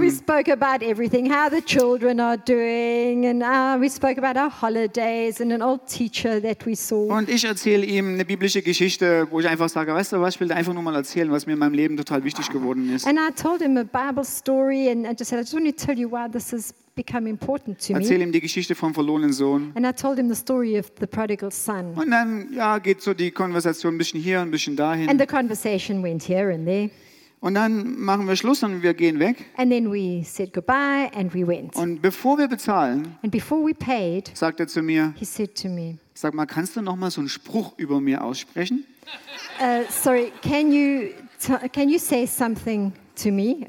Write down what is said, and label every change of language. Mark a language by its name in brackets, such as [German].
[English] We spoke about everything, how the children are doing, and we spoke about our holidays and an old teacher that we saw. [German] Und ich erzähle ihm eine biblische Geschichte, wo ich einfach sage, weißt du was, ich will dir einfach nur mal erzählen, was mir in meinem Leben total wichtig geworden ist. [English] And I told him Bible story and I just said I just want to tell you why this has become important to me. [German] Erzähl ihm die Geschichte vom verlorenen Sohn. [English] And I told him the story of the prodigal son. [German] Und dann ja, geht so die Konversation ein bisschen hier und ein bisschen dahin. [English] And the conversation went here and there. [German] Und dann machen wir Schluss und wir gehen weg. [English] And then we said goodbye and we went. [German] Und bevor wir bezahlen, [English] and before we paid, [German] sagt er zu mir, [English] he said to me, [German] sag mal, kannst du noch mal so einen Spruch über mir aussprechen? [English] Sorry, can you say something to me?